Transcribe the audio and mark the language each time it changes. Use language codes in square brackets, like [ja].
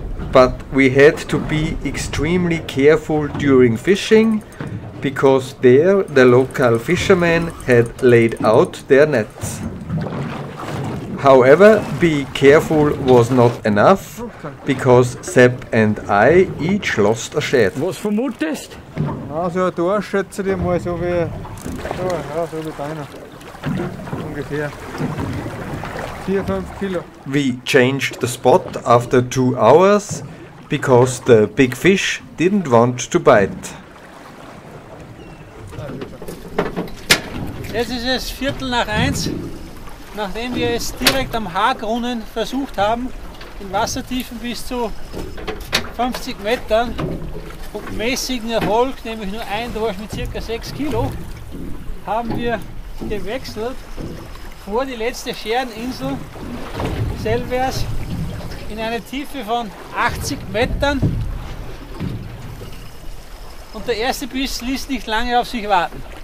[en] But we had to be extremely careful during fishing, because there the local fishermen had laid out their nets. However, be careful was not enough, because Sepp and I each lost a shad. [de] Was vermutest? Also ein Dorsch, schätze ich mal, so wie deiner. Ungefähr. 4-5 Kilo. [en] We changed the spot after 2 hours, because the big fish didn't want to bite. [de] Jetzt ist es 1:15, nachdem wir es direkt am Hagrunnen versucht haben, in Wassertiefen bis zu 50 Metern und mäßigen Erfolg, nämlich nur ein Dorsch mit ca. 6 Kilo, haben wir gewechselt vor die letzte Schereninsel Selvaers in eine Tiefe von 80 Metern und der erste Biss ließ nicht lange auf sich warten.